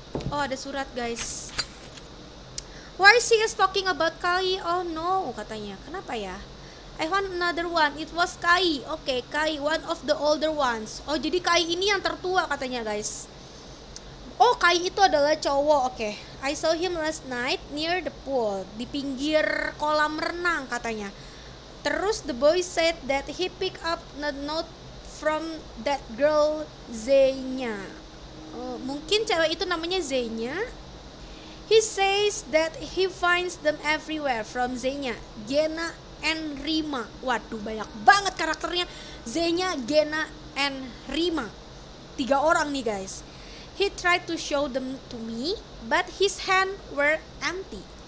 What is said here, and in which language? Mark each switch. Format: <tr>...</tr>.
<id>Oh, ada surat, guys.</id> <en>Why she is talking about Kai? Oh, no,</en> <id>katanya. Kenapa ya?</id> <en>I want another one. It was Kai. Okay, Kai, one of the older ones.</en> <id>Oh, jadi Kai ini yang tertua, katanya, guys. Oh, Kai itu adalah cowok.</id> <en>Okay. I saw him last night near the pool.</en> <id>Di pinggir kolam renang, katanya.</id> <en>Terus, the boy said that he picked up the note from that girl, Zenya.</en> <id>Mungkin cewek itu namanya Zenya.</id> <en>He says that he finds them everywhere from Zenya, Gena, and Rima.</en> <id>Waduh, banyak banget karakternya. Zenya, Gena, and Rima. Tiga orang nih guys.</id> <en>He tried to show them to me, but his hands were empty.</en>